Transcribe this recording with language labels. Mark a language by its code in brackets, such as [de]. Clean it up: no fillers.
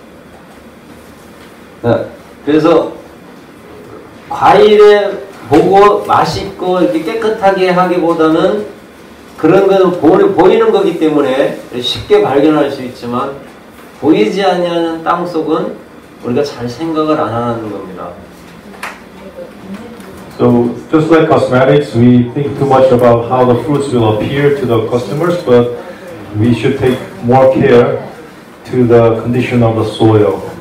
[zh] 表面上问题，最重要的问题是石灰硫磺合成剂这个东西进到土壤会让土壤硬化，然后它的基盘会越来越硬化。那，比如说 [ko] 과일의 보고 맛있고 이렇게 깨끗하게 하기보다는 그런 거는 보이는 거기 때문에 쉽게 발견할 수 있지만 보이지 않냐는 땅 속은 우리가 잘 생각을 안 하는 겁니다. [en] So just like cosmetics, we think too much about how the fruits will appear to the customers, but we should take more care to the condition of the soil.